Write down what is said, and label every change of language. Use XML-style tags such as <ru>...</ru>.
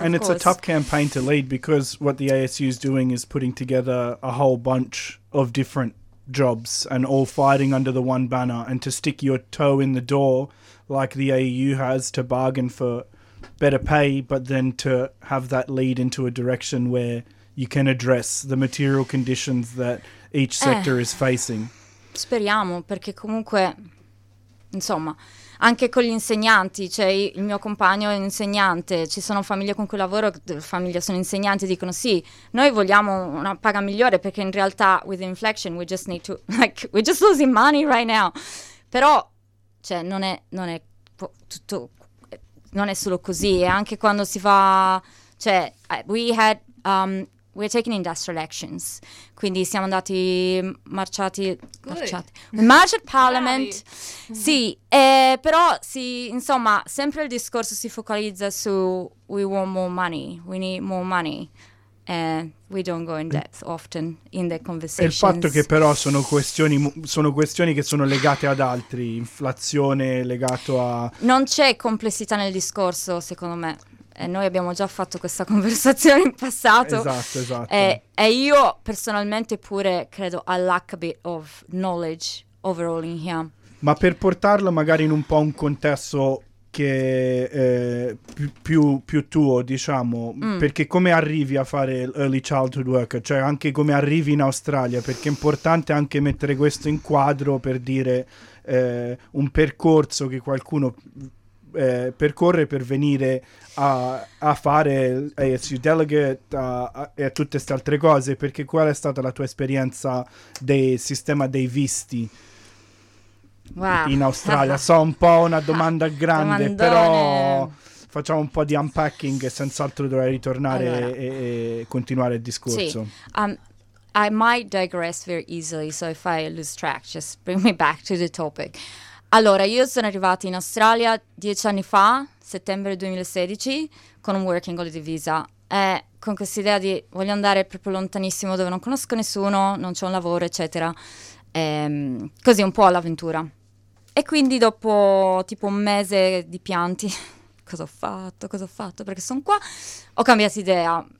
<en>course. And it's a tough campaign to lead, because what the ASU is doing is putting together a whole bunch of different jobs and all fighting under the one banner, and to stick your toe in the door like the AU has to bargain for better pay, but then to have that lead into a direction where you can address the material conditions that each sector is facing.</en> <it>Speriamo, perché comunque insomma, anche con gli insegnanti, cioè il mio compagno è un insegnante, ci sono famiglie con cui lavoro, famiglie sono insegnanti, dicono sì, noi vogliamo una paga migliore, perché in realtà</it> <en>with inflation we just need to, like, we're just losing money right now.</en> <it>Però, cioè, non è tutto, non è solo così, e anche quando si fa, cioè,</it> <en>we're taking industrial actions,</en> <it>quindi siamo andati marciati,</it> <en>marched parliament,</en> <it>sì, però sì, insomma, sempre il discorso si focalizza su</it> <en>we want more money, we need more money, we don't go in depth often in the conversations.</en> <it>Il fatto che però sono questioni che sono legate ad altri, inflazione legato a... Non c'è complessità nel discorso, secondo me. E noi abbiamo già fatto questa conversazione in passato. Esatto. E io personalmente pure credo</it> <en>a lack a bit of knowledge overall in here.</en> <it>Ma per portarlo magari in un po' un contesto che è più tuo, diciamo, perché come arrivi a fare early childhood worker? Cioè anche come arrivi in Australia? Perché è importante anche mettere questo in quadro per dire un percorso che qualcuno... percorre per venire a fare ASU Delegate e a tutte queste altre cose, perché qual è stata la tua esperienza del sistema dei visti in Australia? So un po' una domanda grande, domandone. Però facciamo un po' di unpacking e senz'altro dovrei ritornare allora. E continuare il discorso. Sì.</it> <en>I might digress very easily, so if I lose track, just bring me back to the topic.</en> <it>Allora, io sono arrivata in Australia 10 anni fa, settembre 2016, con un working holiday visa. Con questa idea di voglio andare proprio lontanissimo, dove non conosco nessuno, non c'è un lavoro, eccetera. Così, un po' all'avventura. E quindi dopo tipo un mese di pianti, cosa ho fatto, perché sono qua, ho cambiato idea.</it>